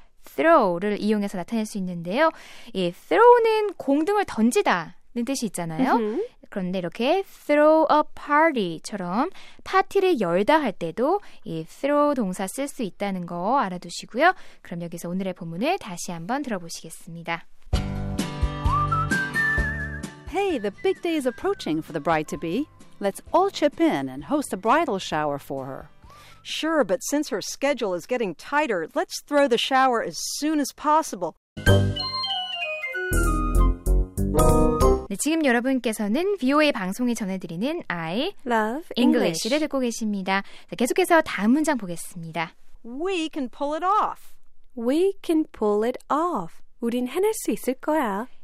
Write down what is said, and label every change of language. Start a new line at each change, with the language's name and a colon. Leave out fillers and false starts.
Korean: Throw를 이용해서 나타낼 수 있는데요. 예, throw는 공등을 던지다는 뜻이 있잖아요. Mm-hmm. 그런데 이렇게 throw a party처럼 파티를 열다 할 때도 이 throw 동사 쓸 수 있다는 거 알아두시고요. 그럼 여기서 오늘의 본문을 다시 한번 들어보시겠습니다.
English: Hey, the big day is approaching for the bride-to-be. Let's all chip in and host a bridal shower for her. Sure, but since her schedule is getting tighter, let's throw the shower as soon as possible.
Korean: 네, 지금 여러분께서는 VOA 방송이 전해드리는 I Love English를 듣고 계십니다. 자, 계속해서 다음 문장 보겠습니다.
English: We can pull it off. We can pull it off.
Korean: 우린 해낼 수 있을 거야.